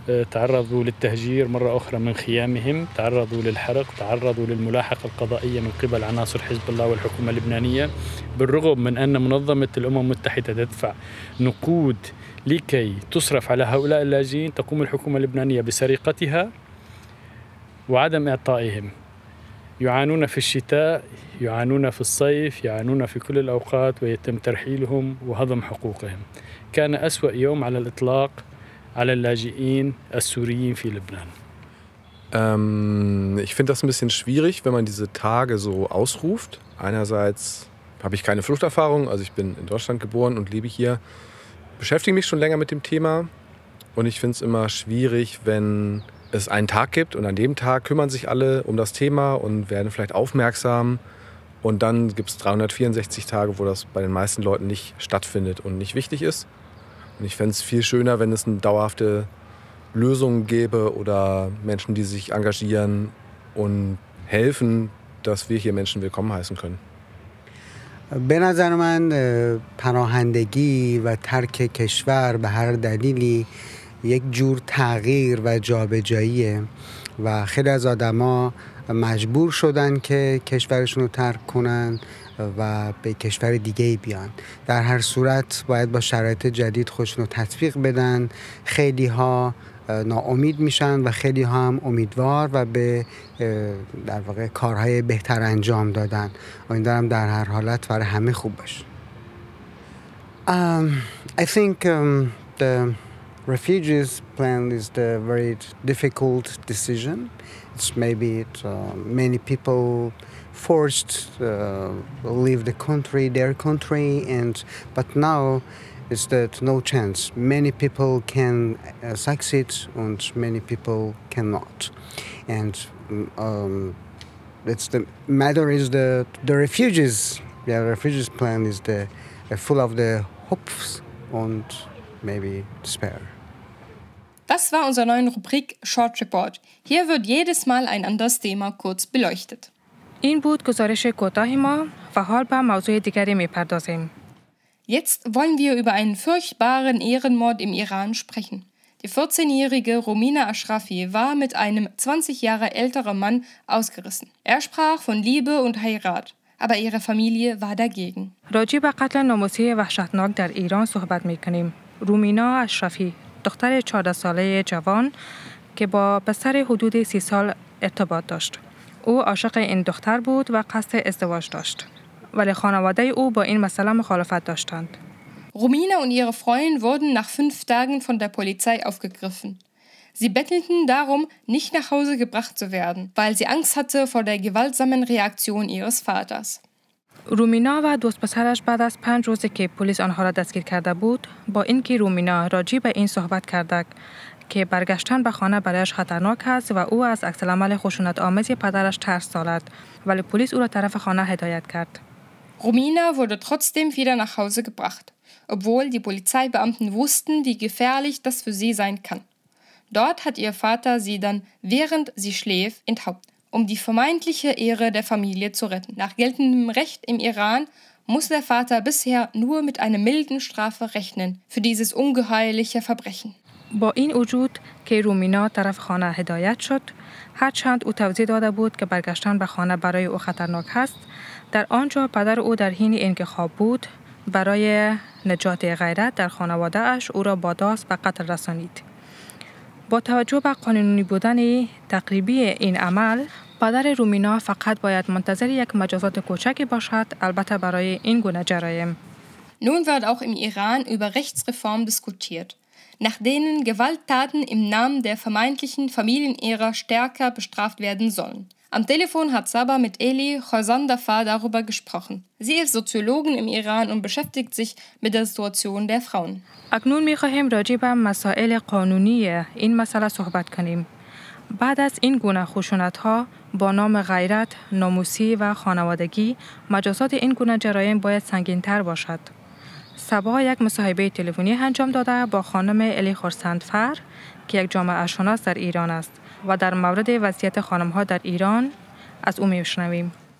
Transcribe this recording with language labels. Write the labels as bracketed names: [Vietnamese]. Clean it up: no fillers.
[Arabic] تعرضوا للتهجير مرة أخرى من خيامهم، تعرضوا للحرق، تعرضوا للملاحقة القضائية من قبل عناصر حزب الله والحكومة اللبنانية، بالرغم من أن منظمة الأمم المتحدة تدفع نقود لكي تصرف على هؤلاء اللاجئين، تقوم الحكومة اللبنانية بسرقتها وعدم إعطائهم. يعانون في الشتاء، يعانون في الصيف، يعانون في كل الأوقات، ويتم ترحيلهم وهضم حقوقهم. كان أسوأ يوم على الإطلاق على اللاجئين السوريين في لبنان. [German] Ich finde das ein bisschen schwierig, wenn man diese Tage so ausruft. Einerseits habe ich keine Fluchterfahrung, also ich bin in Deutschland geboren und lebe hier. Beschäftige mich schon länger mit dem Thema und ich finde es immer schwierig, wenn es einen Tag gibt und an dem Tag kümmern sich alle um das Thema und werden vielleicht aufmerksam und dann gibt es 364 Tage, wo das bei den meisten Leuten nicht stattfindet und nicht wichtig ist. Und ich fände es viel schöner, wenn es eine dauerhafte Lösung gäbe oder Menschen, die sich engagieren und helfen, dass wir hier Menschen willkommen heißen können. [Persian] به نظر من پناهندگی و ترک کشور به هر دلیلی یک جور تغییر و جابجاییه و خیلی از آدما مجبور شدن که کشورشون رو ترک کنن و به کشور دیگه بیان. در هر صورت باید با شرایط جدید خودشون رو تطبیق بدن. خیلی ها ناامید میشن و خیلی ها هم امیدوار و به در واقع کارهای بهتر انجام دادن. امیدوارم در هر حالت برای همه خوب باشه. [English] I think the refugees plan is the very difficult decision. It's maybe it, many people forced leave the country, their country, and but now is that no chance. Many people can succeed and many people cannot. And it's the matter is the refugees. Yeah, the refugees plan is the full of the hopes and maybe despair. [German] Das war unsere neue Rubrik Short Report. Hier wird jedes Mal ein anderes Thema kurz beleuchtet. [Persian] این بود گزارش کوتاه ما و حال به موضوع دیگری می‌پردازیم. [German] Jetzt wollen wir über einen furchtbaren Ehrenmord im Iran sprechen. Die 14-jährige Romina Ashrafi war mit einem 20 Jahre älteren Mann ausgerissen. Er sprach von Liebe und Heirat, aber ihre Familie war dagegen. [Persian] راجی به قتل ناموسی وحشتناک در ایران صحبت می‌کنیم. رومینا اشرفی، دختر 14 ساله جوان که با پسر حدود 30 سال ارتباط داشت. او عاشق این دختر بود و قصد ازدواج داشت. ولی خانواده او با این مسئله مخالفت داشتند. [German] Romina und ihre Freundin wurden nach 5 Tagen von der Polizei aufgegriffen. Sie bettelten darum, nicht nach Hause gebracht zu werden, weil sie Angst hatte vor der gewaltsamen Reaktion ihres Vaters. [Persian] رومینا و دوست پسرش بعد از 5 روزی که پلیس آنها را دستگیر کرده بود، با اینکه رومینا راجی به این صحبت کرده که برگشتن به خانه برایش خطرناک است و او از عکس العمل خشونت آمیز پدرش ترس دارد، ولی پلیس او را طرف خانه هدایت کرد. [German] رومینا wurde trotzdem wieder nach Hause gebracht, obwohl die Polizeibeamten wussten, wie gefährlich das für sie sein kann. Dort hat ihr Vater sie dann, während sie schläft, enthauptet, um die vermeintliche Ehre der Familie zu retten. Nach geltendem Recht im Iran muss der Vater bisher nur mit einer milden Strafe rechnen für dieses ungeheuerliche Verbrechen. [Persian] با این وجود که رومینا طرف خانه هدایت شد، هرچند او توضیح داده بود که برگشتن به خانه برای او خطرناک است، در آنجا پدر او در حین اینکه خواب بود، برای نجات غیرت در خانواده اش او را با داس به قتل رسانید. با توجه به قانونی بودن تقریبی این عمل، پدر رومینا فقط باید منتظر یک مجازات کوچک باشد، البته برای این گونه جرایم. [German] Nun wird auch im Iran über Rechtsreform diskutiert. Nach denen Gewalttaten im Namen der vermeintlichen Familienehre stärker bestraft werden sollen. Am Telefon hat Sabah mit Eli Khosandafar darüber gesprochen. Sie ist Soziologin im Iran und beschäftigt sich mit der Situation der Frauen. [Persian] اکنون می‌خواهیم راجع به مسائل قانونی این مسئله صحبت کنیم. بعد از این گونه خشونت‌ها با نام غیرت، ناموسی و خانوادگی، مجازات این گونه جرایم باید سنگین‌تر باشد. سبها یک مصاحبه تلفنی انجام داده با خانم الی خورسندفر که یک جامعه شناس در ایران است و در مورد وضعیت خانم‌ها در ایران از او می‌شنویم.